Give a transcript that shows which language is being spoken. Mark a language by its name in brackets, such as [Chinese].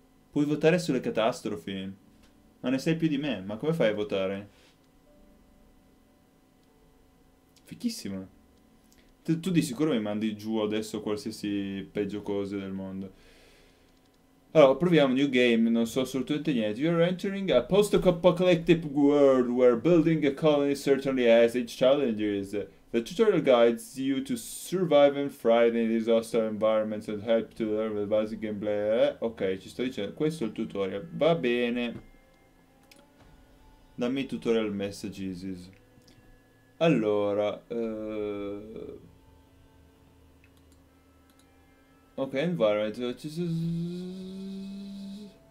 [Italian] Puoi votare sulle catastrofi? Ma ne sai più di me, ma come fai a votare? Fichissimo. Tu di sicuro mi mandi giù adesso qualsiasi peggio cose del mondo. Allora, proviamo new game, non so assolutamente niente. [English] You are entering a post-apocalyptic world where building a colony certainly has its challenges. The tutorial guides you to survive and thrive in these hostile environments and help to learn the basic gameplay. [Italian] Ok, ci sto dicendo, questo è il tutorial. Va bene. Dammi i tutorial messages. Allora, ok, environment.